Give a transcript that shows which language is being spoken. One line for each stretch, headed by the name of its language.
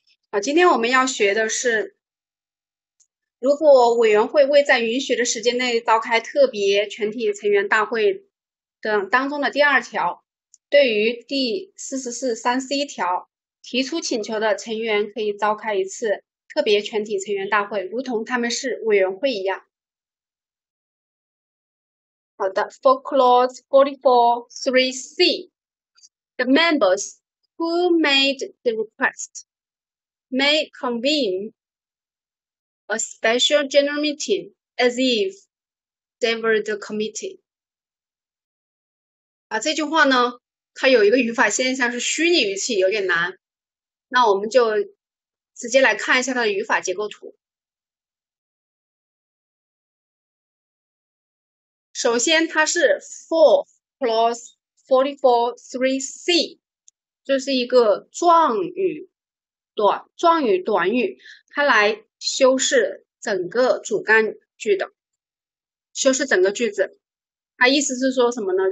Chinese: 好，今天我们要学的是。如果委员会未在允许的时间内召开特别全体成员大会等当中的第二条，对于第44(3)(c) 条提出请求的成员可以召开一次特别全体成员大会，如同他们是委员会一样。
English: 好的， For Clause 44(3)(c), the members who made the request may convene a special general meeting as if they were the committee。
Chinese: 啊，这句话呢，它有一个语法现象是虚拟语气，有点难。那我们就直接来看一下它的语法结构图。首先，它是 for clause 44(3)(c)，这是一个状语短语，它来修饰整个主干句的，修饰整个句子，它意思是说什么呢？